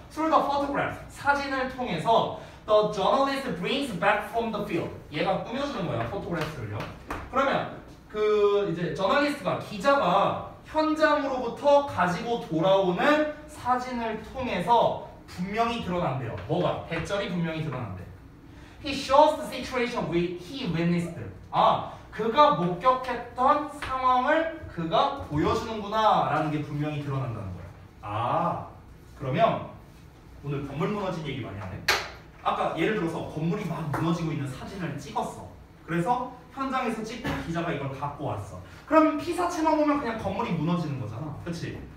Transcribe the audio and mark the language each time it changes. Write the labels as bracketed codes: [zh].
[en] Through the photograph. [ko] 사진을 통해서 [en] the journalist brings back from the field. [ko] 얘가 꾸며주는 거야. 포토그래프를요. 그러면 그 이제 저널리스트가 기자가 현장으로부터 가지고 돌아오는 사진을 통해서 분명히 드러난대요. 뭐가? 대절이 분명히 드러난대. [en] He shows the situation he witnessed. [ko] 아, 그가 목격했던 상황을 그가 보여주는구나 라는 게 분명히 드러난다는 거야. 아, 그러면 오늘 건물 무너진 얘기 많이 하네. 아까 예를 들어서 건물이 막 무너지고 있는 사진을 찍었어. 그래서 현장에서 찍고 기자가 이걸 갖고 왔어. 그럼 피사체만 보면 그냥 건물이 무너지는 거잖아. 그치?